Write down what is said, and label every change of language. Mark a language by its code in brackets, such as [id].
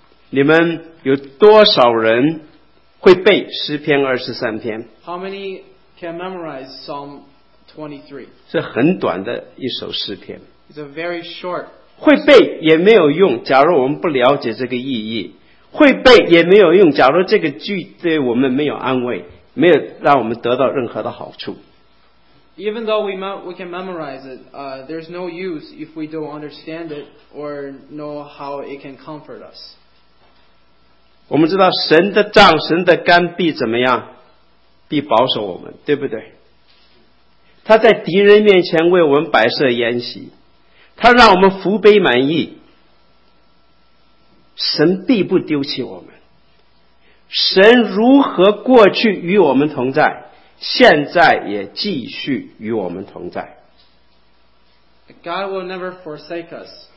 [zh] 你们有多少人会背诗篇23篇？ [en] How many can memorize Psalm 23? [zh] 是很短的一首诗篇。 [en] It's a very short. [zh] 会背也没有用，假如我们不了解这个意义，会背也没有用，假如这个句对我们没有安慰，没有让我们得到任何的好处。 [en] Even though we can memorize it, there's no use if we don't understand it or know how it can comfort us. [zh] 我们知道神的杖、神的竿必怎么样？必保守我们，对不对？他在敌人面前为我们摆设筵席。他让我们福杯满溢，神必不丢弃我们。神如何过去与我们同在，现在也继续与我们同在。 [en] God will never forsake us.